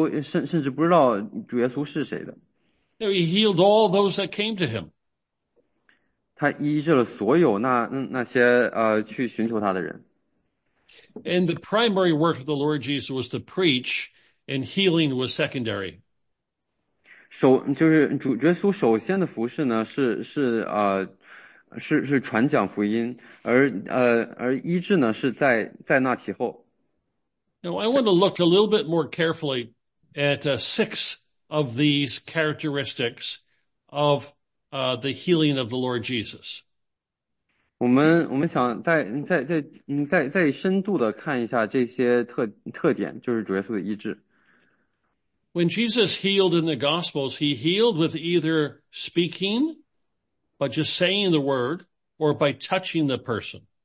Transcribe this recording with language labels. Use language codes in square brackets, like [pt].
[zh] 主耶稣也医治了那些还没有相信主的，并且都甚至不知道主耶稣是谁的。 [en] He healed all those that came to him. [zh] 他医治了所有那些去寻求他的人。 [en] And the primary work of the Lord Jesus was to preach, and healing was secondary. [zh] 就是主耶稣首先的服事呢，是传讲福音，而医治呢是在那其后。 [en] Now I want to look a little bit more carefully at six of these characteristics of the healing of the Lord Jesus. [zh] 我们想再深度的看一下这些特点，就是主耶稣的医治。 [en] When Jesus healed in the Gospels, he healed with either speaking, by just saying the word, or by touching the person.